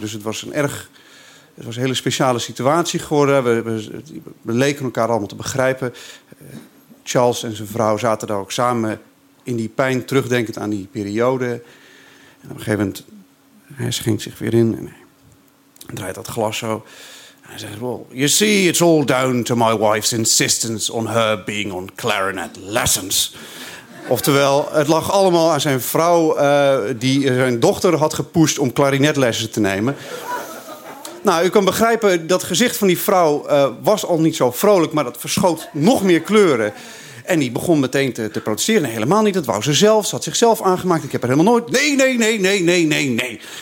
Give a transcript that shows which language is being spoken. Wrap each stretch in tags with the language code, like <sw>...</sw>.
<nl>Dus het was een hele speciale situatie geworden. We leken elkaar allemaal te begrijpen. Charles en zijn vrouw zaten daar ook samen in die pijn, terugdenkend aan die periode. En op een gegeven moment, hij schenkt zich weer in en hij draait dat glas zo. En hij zegt,</nl> <en>well, you see, it's all down to my wife's insistence on her being on clarinet lessons.</en> <nl>Oftewel, het lag allemaal aan zijn vrouw die zijn dochter had gepusht om clarinetlessen te nemen. Nou, u kan begrijpen, dat gezicht van die vrouw was al niet zo vrolijk, maar dat verschoot nog meer kleuren. En die begon meteen te protesteren. Nee, helemaal niet. Dat wou ze zelf. Ze had zichzelf aangemaakt. Ik heb er helemaal nooit... Nee.</nl>